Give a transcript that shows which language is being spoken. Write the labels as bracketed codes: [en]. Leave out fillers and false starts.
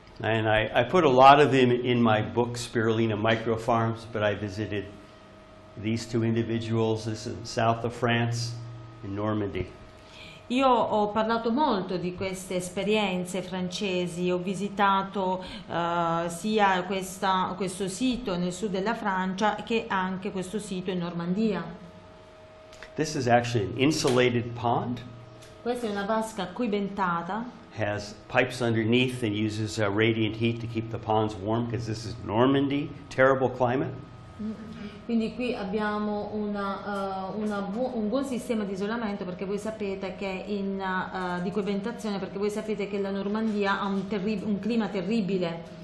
[en] And I put a lot of them in my book, Spirulina Micro Farms, but I visited these two individuals. This is in south of France, in Normandy. [it] Io ho parlato molto di queste esperienze francesi, ho visitato sia questo sito nel sud della Francia che anche questo sito in Normandia. [en] This is actually an insulated pond. [it] Questa è una vasca cubentata. [en] Has pipes underneath and uses radiant heat to keep the ponds warm because this is Normandy, terrible climate. [it] Quindi qui abbiamo un buon sistema di isolamento perché voi sapete che di coibentazione perché voi sapete che la Normandia ha un clima terribile.